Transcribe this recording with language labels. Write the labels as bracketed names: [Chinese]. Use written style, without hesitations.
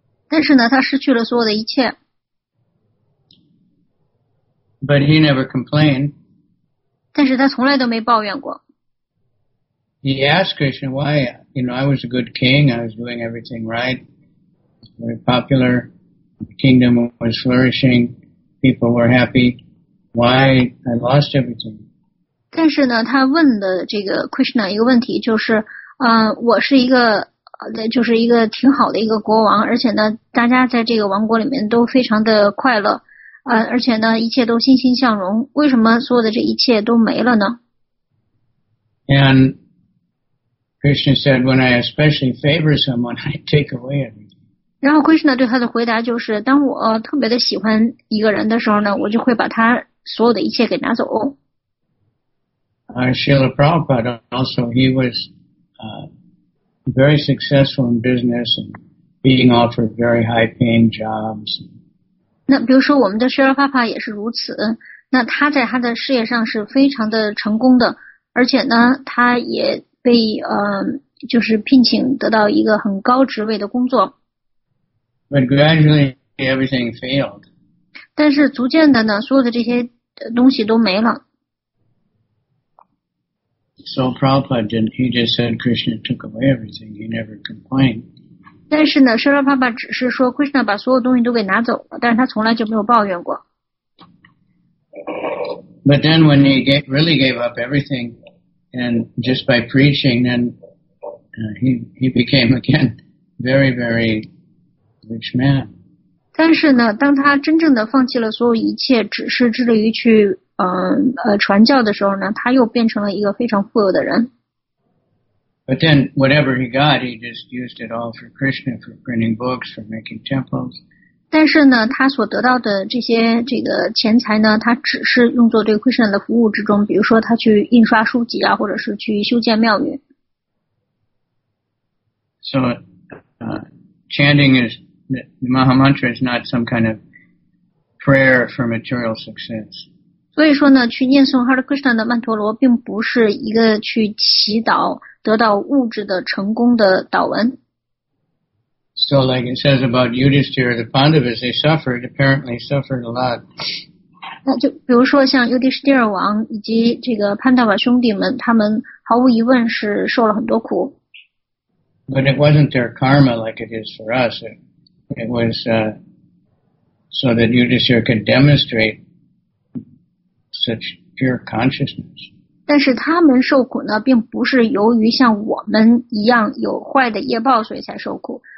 [Chinese] 但是呢，他失去了所有的一切。 [English] But he never complained. [Chinese] 但是他从来都没抱怨过。 [English] He asked Krishna why, you know, I was a good king, I was doing everything right, very popular, the kingdom was flourishing, people were happy, why I lost everything. [Chinese] 但是呢，他问的这个 Krishna 一个问题就是，我是一个。就是一个挺好的一个国王，而且呢，大家在这个王国里面都非常的快乐，而且呢，一切都欣欣向荣。为什么所有的这一切都没了呢 [English] ？And Krishna said, "When I especially favor someone, I take away everything." [Chinese] 然后 Krishna 对他的回答就是：当我特别的喜欢一个人的时候呢，我就会把他所有的一切给拿走。 [English] Srila Prabhupada also, he was. Very successful in business and being offered very high-paying jobs. [Chinese] 那比如说我们的 Srila Prabhupada 也是如此。那他在他的事业上是非常的成功的，而且呢，他也被就是聘请得到一个很高职位的工作。 [English] But gradually everything failed. [Chinese] 但是逐渐的呢，所有的这些东西都没了。 [English] So Prabhupada didn't. He just said Krishna took away everything. He never complained. [Chinese] 但是呢，舍勒帕帕只是说 Krishna 把所有东西都给拿走了，但是他从来就没有抱怨过。 [English] But then when he really gave up everything, and just by preaching, then he became again very very rich man. [Chinese] 但是呢，当他真正的放弃了所有一切，只是致力于去。传教的时候呢，他又变成了一个非常富有的人。 [English] But then whatever he got, he just used it all for Krishna, for printing books, for making temples, [Chinese] 但是呢，他所得到的这些这个钱财呢，他只是用作对 Krishna 的服务之中，比如说他去印刷书籍啊，或者是去修建庙宇。 [English] So, chanting is the Maha Mantra is not some kind of prayer for material success. [Chinese] 所以说呢，去念诵 Hare Krishna 的曼陀罗，并不是一个去祈祷得到物质的成功的祷文。 [English] So like it says about Yudhishthira, the Pandavas, they suffered, apparently suffered a lot. [Chinese] 那就比如说像 Yudhishthira 王以及这个 Pandava 兄弟们，他们毫无疑问是受了很多苦。 [English] But it wasn't their karma like it is for us. It was so that Yudhishthira could demonstrate such pure consciousness. [Chinese] 但是他们受苦呢，并不是由于像我们一样有坏的业报所以才受苦。